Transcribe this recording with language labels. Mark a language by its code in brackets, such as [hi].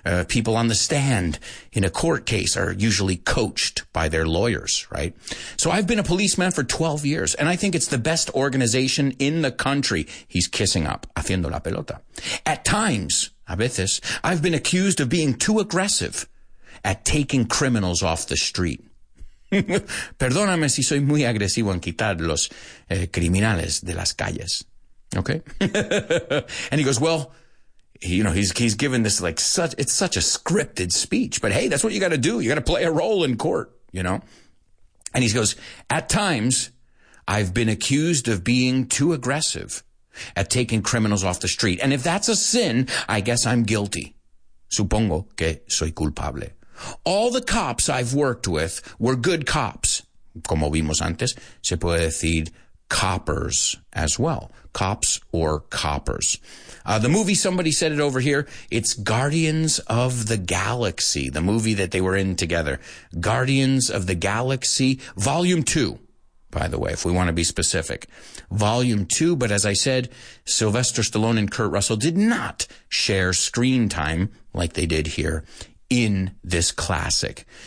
[en] People on the stand in a court case are usually coached by their lawyers, right? So I've been a policeman for 12 years, and I think it's the best organization in the country. He's kissing up, [es] haciendo la pelota. [en] At times, [es] a veces, [en] I've been accused of being too aggressive at taking criminals off the street. [es] Perdóname si soy muy agresivo en quitar los criminales de las calles. [en] Okay? And he goes, well, you know, he's given this like such, it's such a scripted speech, but hey, that's what you got to do. You got to play a role in court, you know? And he goes, at times, I've been accused of being too aggressive at taking criminals off the street. And if that's a sin, I guess I'm guilty. [es] Supongo que soy culpable. [en] All the cops I've worked with were good cops. [es] Como vimos antes, se puede decir [en] coppers as well. Cops or coppers. The movie, somebody said it over here, it's Guardians of the Galaxy, the movie that they were in together. Guardians of the Galaxy, Volume 2, by the way, if we want to be specific. Volume 2, but as I said, Sylvester Stallone and Kurt Russell did not share screen time like they did here in this classic.